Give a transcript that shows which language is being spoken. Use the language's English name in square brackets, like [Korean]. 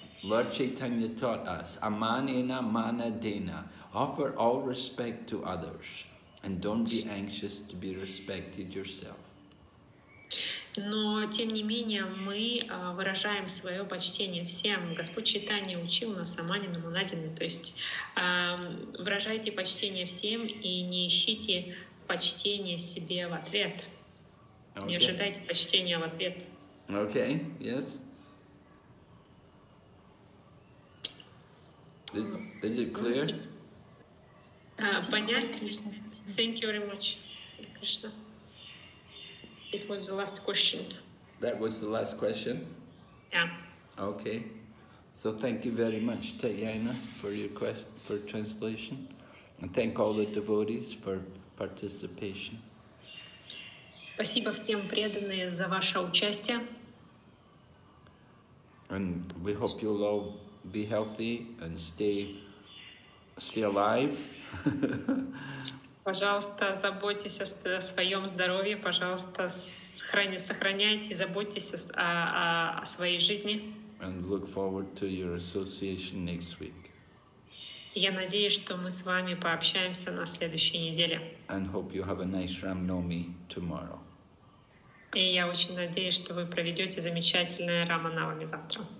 [English] Lord Chaitanya taught us, amanena manadena, offer all respect to others and don't be anxious to be respected yourself. [Russian] Но тем не менее мы выражаем свое почтение всем. Господь Чайтанья учил нас аманина манадена, то есть выражайте почтение всем и не ищите почтения себе в ответ. [English] Okay. [Russian] Не ожидайте почтения в ответ. [English] Okay, yes. Is it clear? [Russian] Понятно. [English] Thank you very much. Krishna. It was the last question. That was the last question? Yeah. Okay. So thank you very much, Tayana, for your quest for translation. And thank all the devotees for participation. [Russian] Спасибо всем преданные за ваше участие. [English] And we hope you'll all be healthy and stay alive. [Russian] Пожалуйста, заботьтесь о своем здоровье. Пожалуйста, сохраняйте, заботьтесь о своей жизни. [English] And look forward to your association next week. [Russian] Я надеюсь, что мы с вами пообщаемся на следующей неделе. [English] And hope you have a nice Ram Nomi tomorrow. [Russian] И я очень надеюсь, что вы проведете замечательное Рама Навами завтра.